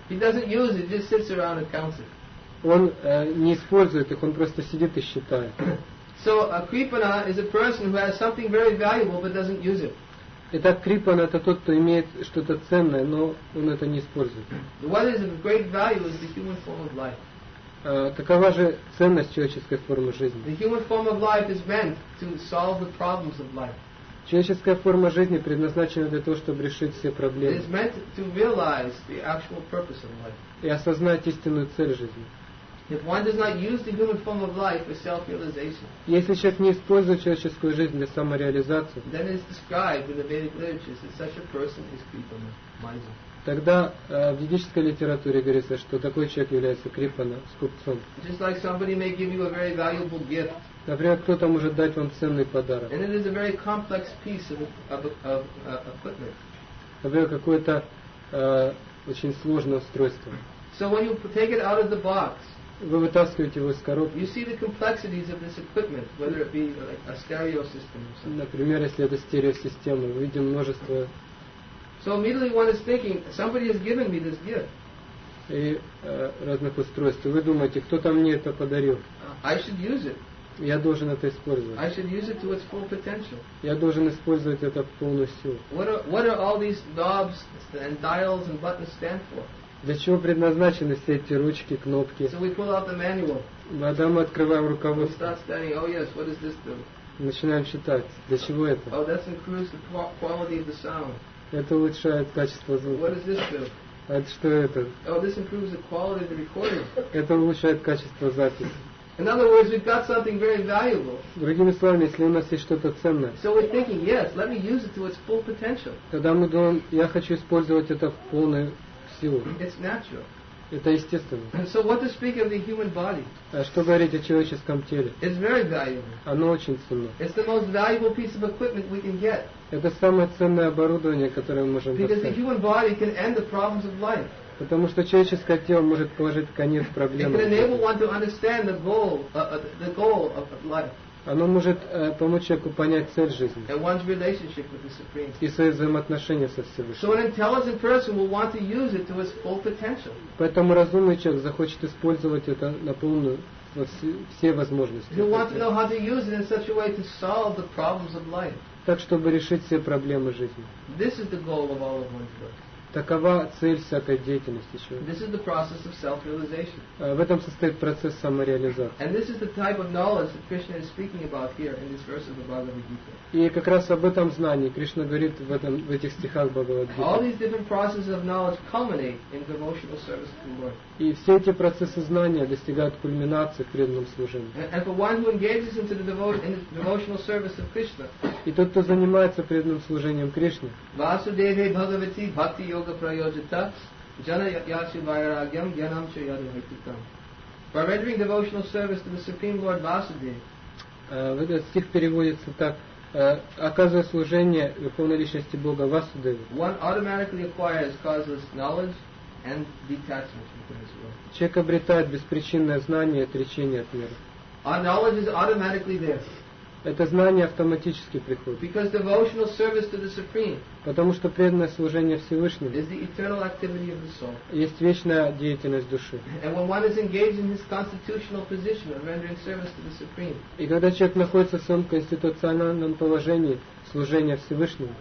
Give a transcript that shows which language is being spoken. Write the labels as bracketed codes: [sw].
[en] He doesn't use it, just sits around and counts it. [ru] Он не использует их, он просто сидит и считает. [en] So a kripana is a person who has something very valuable but doesn't use it. [ru] Итак, крипан это тот, кто имеет что-то ценное, но он это не использует. [en] What is of great value is the human form of life. [ru] Такова же ценность человеческой формы жизни. [en] The human form of life is meant to solve the problems of life. [ru] Человеческая форма жизни предназначена для того, чтобы решить все проблемы. [en] It is meant to realize the actual purpose of life. [ru] И осознать истинную цель жизни. [en] If one does not use the human form of life for self-realization, [ru] если человек не использует человеческую жизнь для самореализации, [en] then it is described in the Vedic literatures that such a person is kripana, miser. [ru] Тогда в ведической литературе говорится, что такой человек является крипана, скупцом. [en] Just like somebody may give you a very valuable gift. [ru] Например, кто-то может дать вам ценный подарок. [en] And it is a very complex piece of equipment. [ru] Например, какое-то очень сложное устройство. [en] So when you take it out of the box. [ru] Вы вытаскиваете его из коробки. [en] You see the complexities of this equipment, whether it be like a stereo system or something. [ru] Например, если это стереосистема, мы видим множество. [en] So immediately one is thinking, somebody has given me this gift. [ru] И разных устройств. Вы думаете, кто-то мне это подарил? [en] I should use it. [ru] Я должен это использовать. [en] I should use it to its full potential. [ru] Я должен использовать это в полную силу. [en] What are all these knobs and dials and buttons stand for? [ru] Для чего предназначены все эти ручки, кнопки? [en] So we pull out the manual. [ru] Когда мы открываем руководство. [en] We start studying. Oh yes, what does this do? [ru] Начинаем считать. Для чего это? [en] Oh, that improves the quality of the sound. [ru] Это улучшает качество звука. [en] What does this do? [ru] Это что это? [en] Oh, this improves the quality of the recording. [ru] Это улучшает качество записи. [en] In other words, we've got something very valuable. [ru] Другими словами, если у нас есть что-то ценное. [en] So we're thinking, yes, let me use it to its full potential. [ru] Тогда мы думаем, я хочу использовать это в полную силу. [en] It's natural. [ru] Это естественно. [en] So what to speak of the human body? [ru] А что говорить о человеческом теле? [en] It's very valuable. [ru] Оно очень ценно. [en] It's the most valuable piece of equipment we can get. [ru] Это самое ценное оборудование, которое мы можем достать. [en] Because the human body can end the problems of life. [ru] Потому что человеческое тело может положить конец проблемам. [en] It can enable one to understand the goal of life. [ru] Оно может помочь человеку понять цель жизни. [en] And one's relationship with the Supreme. [ru] И свои взаимоотношения со Всевышним. [en] So an intelligent person will want to use it to its full potential. [ru] Поэтому разумный человек захочет использовать это на полную, во все возможности. [en] He'll want to know how to use it in such a way to solve the problems of life. [ru] Так, чтобы решить все проблемы жизни. [en] This is the goal of all of one's work. [ru] Такова цель всякой деятельности человека. [en] This is the process of self-realization. [ru] В этом состоит процесс самореализации. [en] And this is the type of knowledge that Krishna is speaking about here in this verse of the Bhagavad Gita. [ru] И как раз об этом знании Кришна говорит в этом, в этих стихах Бхагавад Гиты. [en] All these different processes of knowledge culminate in devotional service to the Lord. [ru] И все эти процессы знания достигают кульминации в преданном служении. [en] And for one who engages into the devotional service of Krishna. [ru] И тот, кто занимается преданным служением Кришне. [sa] Vasudeve Bhagavati Bhakti Yoga Prayojita Jana Yashu Vairagyam Yanam Chayadu Vaitutam. [en] By rendering devotional service to the Supreme Lord Vasudeva. [ru] Этот стих переводится так. Оказывая служение Верховной Личности Бога Васудеве. [en] One automatically acquires causeless knowledge and detachment from this world. [ru] Человек обретает беспричинное знание и отречение от мира. [en] Our knowledge is automatically there. [ru] Это знание автоматически приходит. [en] Because devotional service to the Supreme. [ru] Потому что преданное служение Всевышнему. [en] Is the eternal activity of the soul. [ru] Есть вечная деятельность души. [en] And when one is engaged in his constitutional position of rendering service to the Supreme. [ru] И когда человек находится в своем конституциональном положении служения Всевышнему.